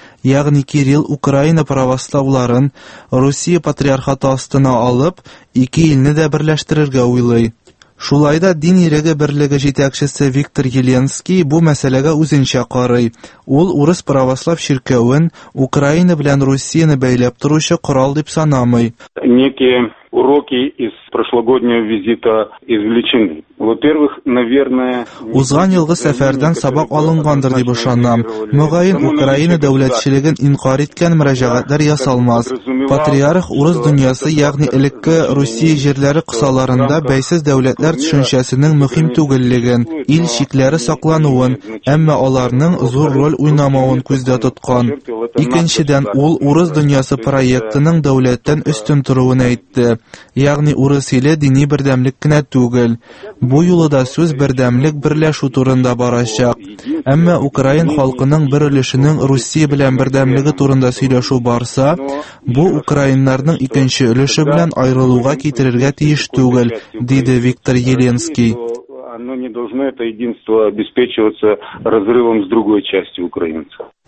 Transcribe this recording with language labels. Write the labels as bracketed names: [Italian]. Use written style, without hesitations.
[Tatar] Ягъни Кирилл Украина православларын Русия патриархаты астына алып, ике илне дә берләштерергә уйлый. Шулай да дин иреге берлеге җитәкчесе Виктор Еленский бу мәсьәләгә үзенчә карый. Ул урыс православ чиркәвен Украина белән Русияны бәйләп торучы корал дип санамый. [Russian] Некие уроки из прошлогоднего визита извлечены. Во-первых, наверное, [Tatar] узган елгы сәфәрдән сабак алынгандыр дип ышанам. Мөгаен Украина дәүләтчелеген инкар иткән мөрәҗәгатьләр ясалмас. Патриарх урыс дөньясы, ягъни элекке Русия җирләре кысаларында бәйсез дәүләтләр төшенчәсенең мөһим түгеллеген, ил чикләре саклануын, әмма аларның зур роль уйнамавын күздә тоткан. Икенчедән, ул урыс дөньясы проектының дәүләттән өстен торуын әйтте. Ягъни урыс иле дини бердәмлек кенә түгел. Бу юлы да сөз бердәмлек берләшү турында барачак. Әмма Украин халкының бер өлешенең Россия белән бердәмлеге турында сөйләшү барса, бу украиннарның икенче өлеше белән айрылуга китерергә тиеш түгел, диде Виктор Еленский. [Russian] Оно не должно это единство обеспечиваться разрывом с другой частью украинцев.